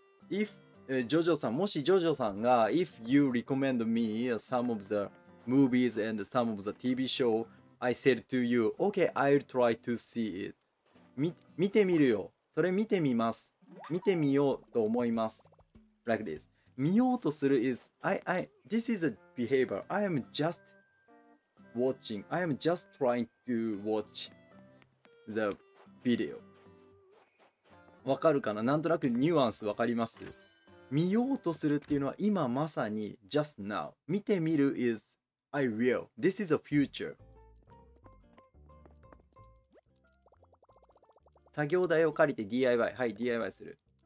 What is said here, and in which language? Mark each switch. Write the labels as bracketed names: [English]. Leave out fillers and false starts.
[English] If, Jojo さん、 [Japanese] もし Jojo さんが、 [English] if you recommend me some of the movies and some of the TV show, I said to you, okay, I'll try to see it. [Japanese] 見てみるよ。それ見てみます。見てみようと思います。 [English] Like this. 見ようとする is, I, this is a behavior. I am justwatching. I am just trying to watch the video. [Japanese] わかるかな？なんとなくニュアンスわかります？見ようとするっていうのは今まさに [English] just now. 見てみる is I will. This is a future. [Japanese] 作業台を借りて DIY。はい、DIY する。